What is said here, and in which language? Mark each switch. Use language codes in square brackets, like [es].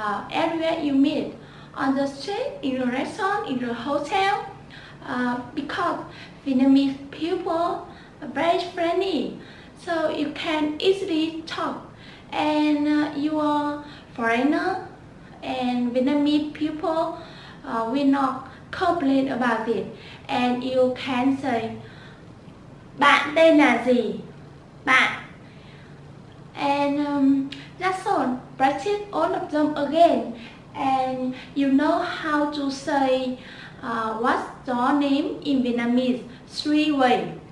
[en] Everywhere you meet, on the street, in the restaurant, in the hotel, because Vietnamese people are very friendly, so you can easily talk. And you are foreigner, and Vietnamese people will not complain about it. And you can say, [vi] bạn tên là gì? [en] Bạn. And that's all. Practice all of them again, and you know how to say what's your name in Vietnamese three way.